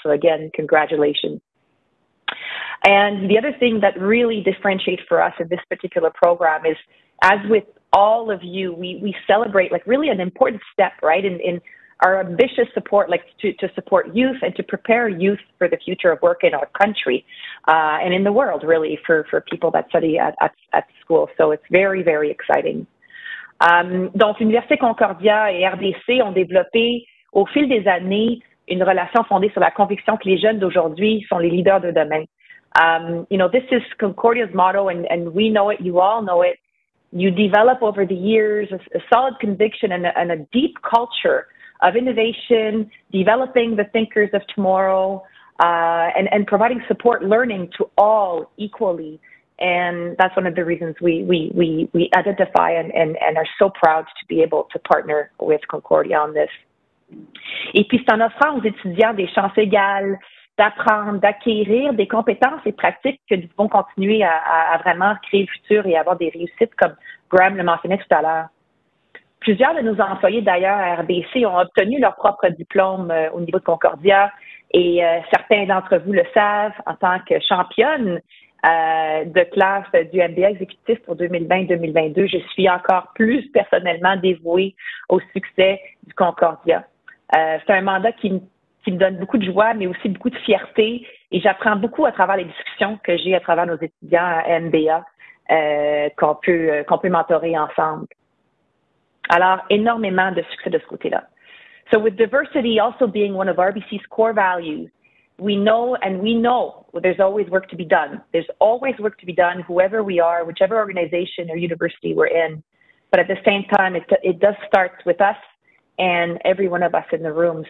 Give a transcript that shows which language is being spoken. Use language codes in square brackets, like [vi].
[en] So again, congratulations. And the other thing that really differentiates for us in this particular program is, as with all of you, we celebrate like really an important step, right, in our ambitious support, like to support youth and to prepare youth for the future of work in our country and in the world, really, for people that study at school. So it's very, very exciting. [fr] Donc, l'Université Concordia et RDC ont développé au fil des années une relation fondée sur la conviction que les jeunes d'aujourd'hui sont les leaders de demain. [en] You know, this is Concordia's motto, and we know it, you all know it. You develop over the years a solid conviction and a deep culture of innovation, developing the thinkers of tomorrow, and providing support learning to all equally. And that's one of the reasons we identify and are so proud to be able to partner with Concordia on this. [fr] Et puis, c'est en offrant aux étudiants des chances égales d'apprendre, d'acquérir des compétences et pratiques qui vont continuer à vraiment créer le futur et avoir des réussites, comme Graham le mentionnait tout à l'heure. Plusieurs de nos employés, d'ailleurs, à RBC, ont obtenu leur propre diplôme au niveau de Concordia et certains d'entre vous le savent, en tant que championne de classe du MBA exécutif pour 2020-2022, je suis encore plus personnellement dévouée au succès du Concordia. C'est un mandat qui me donne beaucoup de joie, mais aussi beaucoup de fierté. Et j'apprends beaucoup à travers les discussions que j'ai à travers nos étudiants à MBA qu'on peut mentorer ensemble. Alors, énormément de succès de ce côté-là. [en] So with diversity also being one of RBC's core values, we know there's always work to be done. There's always work to be done, whoever we are, whichever organization or university we're in. But at the same time, it does start with us and every one of us in the room.